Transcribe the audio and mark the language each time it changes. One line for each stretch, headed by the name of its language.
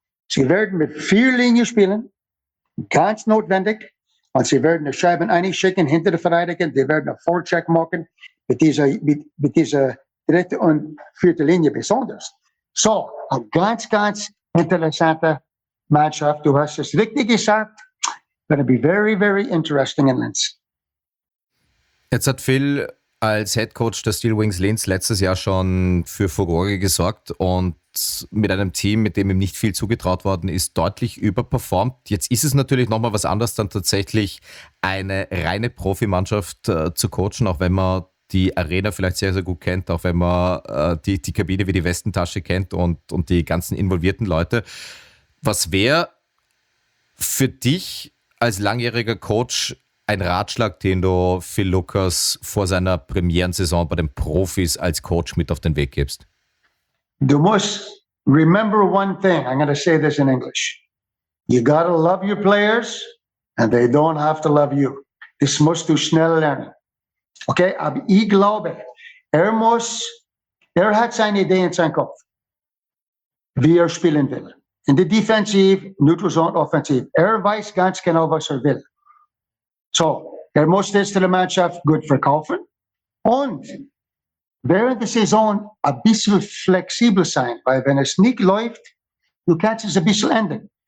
German: Sie werden mit 4 Linien spielen, ganz notwendig. Und sie werden die Scheiben einschicken hinter der Verteidigung. Die werden einen Vorcheck machen mit dieser dritte und vierte Linie besonders. So, eine ganz, ganz interessante Mannschaft. Du hast es richtig gesagt.
English: Gonna be very, very interesting in Linz.
German: Jetzt hat Phil als Head Coach der Steel Wings Linz letztes Jahr schon für Furore gesorgt und mit einem Team, mit dem ihm nicht viel zugetraut worden ist, deutlich überperformt. Jetzt ist es natürlich nochmal was anderes, dann tatsächlich eine reine Profimannschaft zu coachen, auch wenn man die Arena vielleicht sehr, sehr gut kennt, auch wenn man die Kabine wie die Westentasche kennt und die ganzen involvierten Leute. Was wäre für dich als langjähriger Coach ein Ratschlag, den du Phil Lucas vor seiner Premierensaison bei den Profis als Coach mit auf den Weg gibst? Du musst
English: remember one thing. I'm going to say this in English. You got to love your players and they don't have to love you.
German: Das musst du schnell lernen. Okay, aber ich glaube, er hat seine Idee in seinem Kopf, wie er spielen will. In der Defensive, Neutral Zone, Offensive. Er weiß ganz genau, was er will. So, muss das der Mannschaft gut verkaufen. Und während der Saison ein bisschen flexibel sein, weil wenn es nicht läuft, du kannst es ein bisschen ändern.